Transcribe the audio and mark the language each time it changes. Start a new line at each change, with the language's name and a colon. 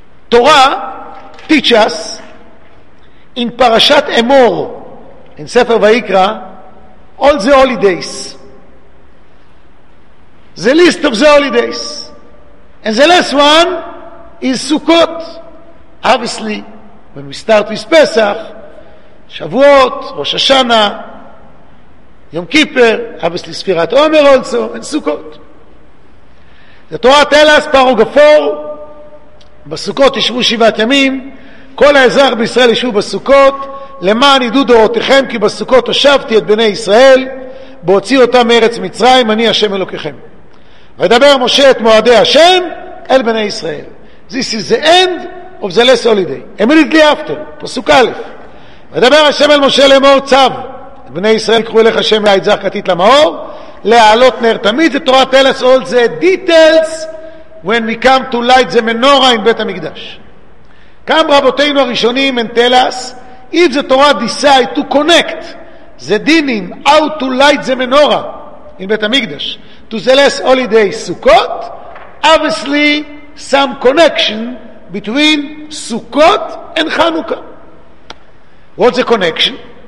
English: Torah teaches us in Parashat Emor, in Sefer Vayikra, all the holidays, the list of the holidays, and the last one is Sukkot. Obviously, when we start with Pesach, Shavuot, Rosh Hashanah, Yom Kippur, obviously Sfirat Omer also, and Sukkot. The Torah tells us, paragraph 4,
Hebrew: בסוכות ישבו שבעת ימים, כל האזרח בישראל ישבו בסוכות, למען ידעו דורותיכם, כי בסוכות הושבתי את בני ישראל, בהוציא אותם מארץ מצרים, אני השם אלוקיכם. וידבר משה את מועדי השם אל בני ישראל.
English: This is the end of the last holiday. Immediately after,
Hebrew: פסוק א', וידבר השם אל משה לאמור צו, בני ישראל קחו אליך השם לעת זך כתית למאור, להעלות נר תמיד, זה תורה תלס,
English: all the details, when we come to light the menorah in Bet HaMikdash. Come
Hebrew: רבותינו הראשונים
English: and tell us, if the Torah decide to connect the dinim, how to light the menorah in Bet HaMikdash, to the last holiday Sukkot, obviously some connection between Sukkot and Chanukah. What's the connection?